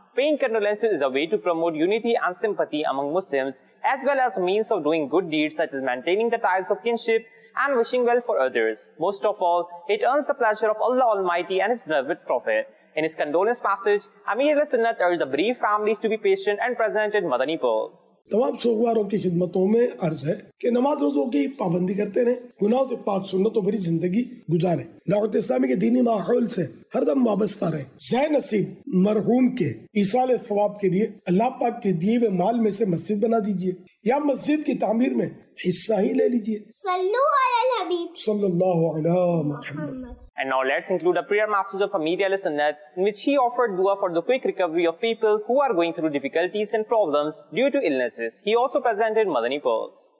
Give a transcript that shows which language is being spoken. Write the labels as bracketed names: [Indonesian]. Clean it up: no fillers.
[English] Paying condolences is a way to promote unity and sympathy among Muslims, as well as a means of doing good deeds such as maintaining the ties of kinship and wishing well for others. Most of all, it earns the pleasure of Allah Almighty and His beloved Prophet. In his condolence passage, Amir Ahl-e-Sunnat urged the bereaved families to be patient and presented Madani pearls. [Urdu] تمام سوگواروں کی خدمتوں میں عرض ہے کہ نماز روزوں کی پابندی کرتے رہیں، گناہوں سے پاک سنتوں بھری زندگی گزاریں، دعوت اسلامی کے دینی ماحول سے ہر دم وابستہ رہیں. زہ نصیب مرحوم کے ایصال ثواب کے لیے اللہ پاک کے دیے ہوئے مال میں سے مسجد بنا دیجئے یا مسجد کی تعمیر میں حصہ ہی لے لیجئے. [Arabic] صلوا علی الحبیب صلی اللہ علی محمد. [English] And now let's include a prayer message of Amir Ahl-e-Sunnat, in which he offered dua for the quick recovery of people who are going through difficulties and problems due to illnesses. He also presented Madani pearls.